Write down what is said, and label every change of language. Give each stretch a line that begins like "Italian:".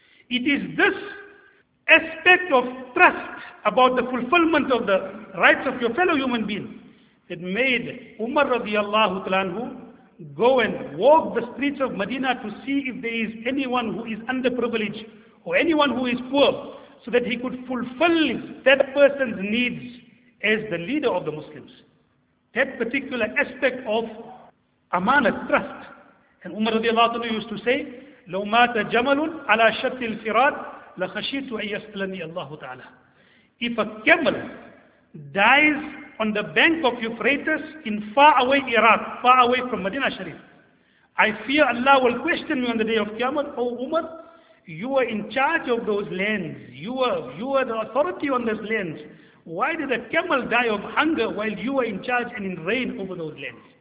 English: It is this aspect of trust about the fulfillment of the rights of your fellow human being that made Umar radiallahu ta'ala anhu go and walk the streets of Medina to see if there is anyone who is underprivileged or anyone who is poor, so that he could fulfill that person's needs as the leader of the Muslims. That particular aspect of amanat, trust. And Umar radiallahu ta'ala used to say,
Arabic: لو مات جمل على شط الفرات لخشيت أن يسألني الله تعالى.
English: If a camel dies on the bank of Euphrates in far away Iraq, far away from Medina Sharif, I fear Allah will question me on the day of Qiyamah, O Umar, you were in charge of those lands, you were the authority on those lands, why did a camel die of hunger while you were in charge and in reign over those lands?